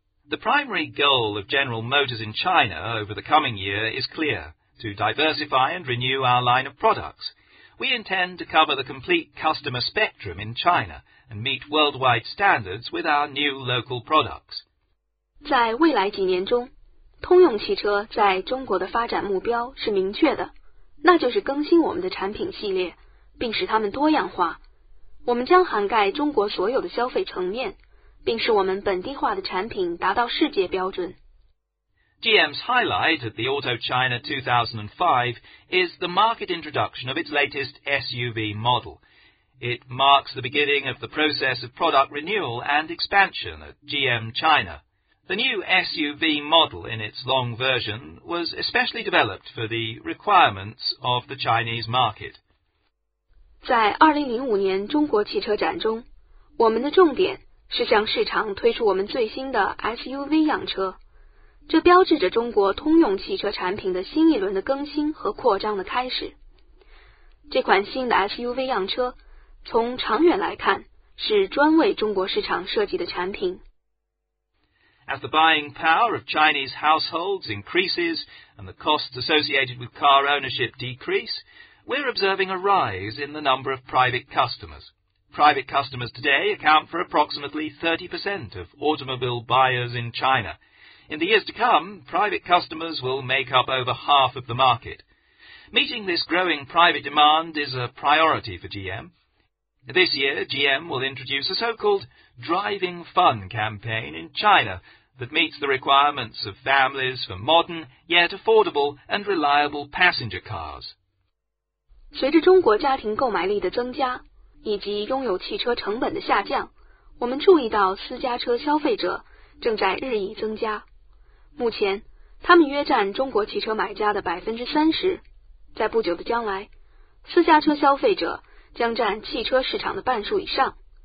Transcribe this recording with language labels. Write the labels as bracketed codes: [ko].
[en] The primary goal of General Motors in China over the coming year is clear, to diversify and renew our line of products. We intend to cover the complete customer spectrum in China and meet worldwide standards with our new local products. [zh] 在未来几年中，通用汽车在中国的发展目标是明确的，那就是更新我们的产品系列，并使它们多样化。我们将涵盖中国所有的消费层面，并使我们本地化的产品达到世界标准。 [en] GM's highlight at the Auto China 2005 is the market introduction of its latest SUV model. It marks the beginning of the process of product renewal and expansion at GM China. The new SUV model in its long version was especially developed for the requirements of the Chinese market. [zh] 在2005年中国汽车展中，我们的重点是向市场推出我们最新的 SUV 样车，这标志着中国通用汽车产品的新一轮的更新和扩张的开始。这款新的 SUV 样车，从长远来看，是专为中国市场设计的产品。 [en] As the buying power of Chinese households increases and the costs associated with car ownership decrease, we're observing a rise in the number of private customers. Private customers today account for approximately 30% of automobile buyers in China. In the years to come, private customers will make up over half of the market. Meeting this growing private demand is a priority for GM. This year, GM will introduce a so-called Driving Fun campaign in China that meets the requirements of families for modern, yet affordable and reliable passenger cars. [zh] 随着中国家庭购买力的增加，以及拥有汽车成本的下降，我们注意到私家车消费者正在日益增加。目前，他们约占中国汽车买家的30%。在不久的将来，私家车消费者将占汽车市场的半数以上。